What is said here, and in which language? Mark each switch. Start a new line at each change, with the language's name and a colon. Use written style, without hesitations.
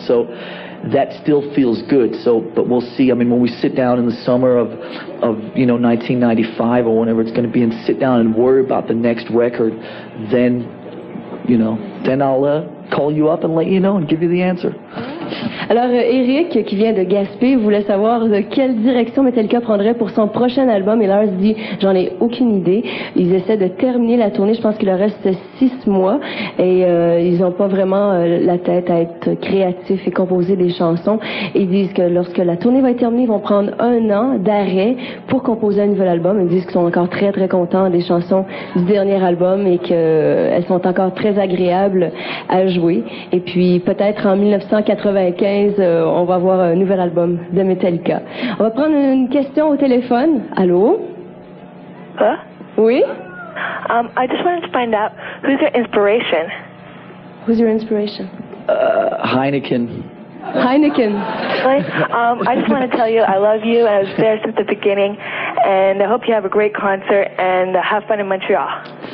English: So that still feels good. So, but we'll see. I mean, when we sit down in the summer of you know, 1995 or whenever it's going to be, and sit down and worry about the next record, then, you know, then I'll call you up and let you know and give you the answer.
French: Alors, Eric, qui vient de Gaspé, voulait savoir de quelle direction Metallica prendrait pour son prochain album. Et Lars dit, j'en ai aucune idée. Ils essaient de terminer la tournée. Je pense qu'il leur reste 6 mois. Et ils n'ont pas vraiment la tête à être créatifs et composer des chansons. Ils disent que lorsque la tournée va être terminée, ils vont prendre 1 an d'arrêt pour composer un nouvel album. Ils disent qu'ils sont encore très, très contents des chansons du dernier album et qu'elles sont encore très agréables à jouer. Et puis, peut-être en 1995, on va avoir un nouvel album de Metallica. On va prendre une question au téléphone. Allô? Huh? Oui?
English: I just wanted to find out, who's your inspiration? Who's your inspiration? Heineken. Heineken. I just want to tell you I love you. I was there since the beginning. And I hope you have a great concert and have fun in Montreal.